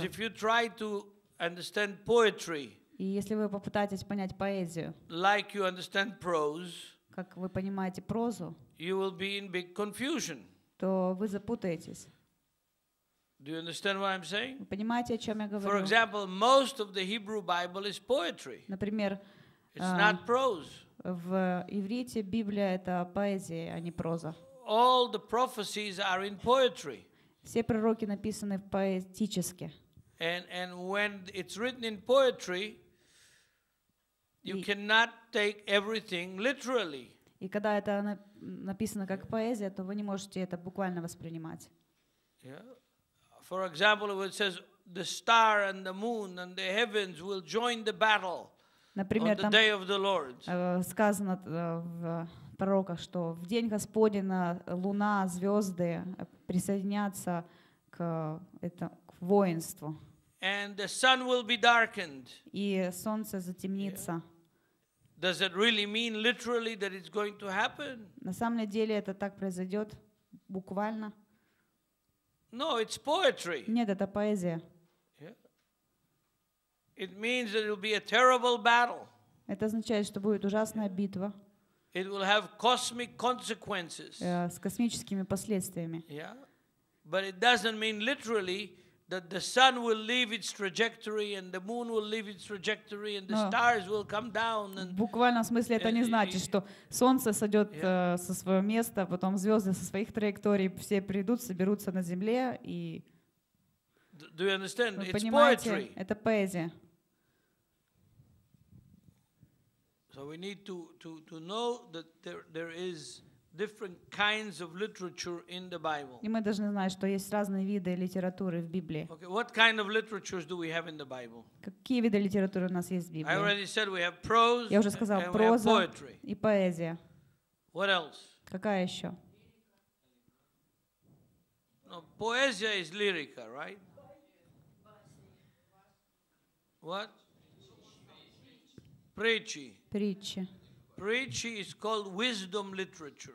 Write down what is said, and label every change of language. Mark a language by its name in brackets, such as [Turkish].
[English] Because if you try to understand poetry, [Russian] и если вы попытаетесь понять поэзию, [English] like you understand prose, [Russian] как вы понимаете прозу, [English] you will be in big confusion. [Russian] То вы запутаетесь. [English] Do you understand what I'm saying? [Russian] Вы понимаете, о чем я говорю? [English] For example, most of the Hebrew Bible is poetry. [Russian] Например, [English] it's not prose. [Russian] В иврите Библия — это поэзия, а не проза. [English] All the prophecies are in poetry. [Russian] Все пророки написаны поэтически. [English] And when it's written in poetry, you cannot take everything literally. [Russian] И когда это написано как поэзия, то вы не можете это буквально воспринимать. [English] Yeah. For example, it says the star and the moon and the heavens will join the battle. [Russian] Например, [English] on the day of the Lord. [Russian] Сказано в пророках, что в день Господень луна, звезды присоединятся к этому воинству. [English] And the sun will be darkened. [Russian] И солнце затемнится. [English] Does it really mean literally that it's going to happen? [Russian] На самом деле это так произойдет буквально? [English] No, it's poetry. [Russian] Нет, это поэзия. [English] It means that it will be a terrible battle. [Russian] Это означает, что будет ужасная битва. [English] It will have cosmic consequences. [Russian] С космическими последствиями. [English] Yeah. But it doesn't mean literally that the sun will leave its trajectory and the moon will leave its trajectory and the stars will come down. [Russian] В буквальном смысле это не значит, что солнце сойдет со своего места, потом звезды со своих траекторий все придут, соберутся на земле и... [English] Do you understand? [Russian] Вы понимаете? Это поэзия. [English] So we need to know that there is different kinds of literature in the Bible. [Russian] И мы должны знать, что есть разные виды литературы в Библии. [English] Okay, what kind of literature do we have in the Bible? [Russian] Какие виды литературы у нас есть в Библии? [English] I already said we have prose. [Russian] Я уже сказал, проза и поэзия. [English] What else? [Russian] Какая еще? [English] No, poesia is lyrica, right? What? Preachy. Preachy. Preachy is called wisdom literature.